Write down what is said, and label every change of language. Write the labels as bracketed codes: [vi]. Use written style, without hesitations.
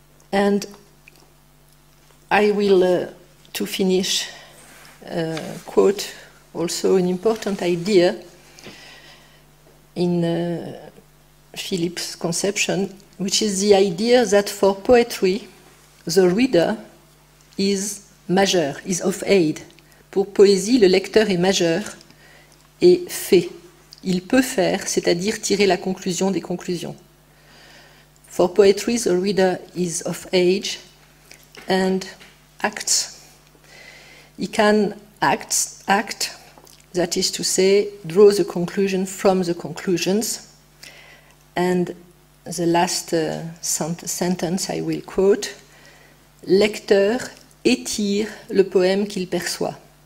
[en] And I will, to finish, quote also an important idea in Philippe's conception, which is the idea that for poetry, the reader is majeur, is of aid. [fr] Pour poésie, le lecteur est majeur et fait. Il peut faire, c'est-à-dire tirer la conclusion des conclusions. [en] For poetry, the reader is of age and acts. He can act, that is to say, draw the conclusion from the conclusions. And the last sentence I will quote, [fr] lecteur étire le poème qu'il perçoit.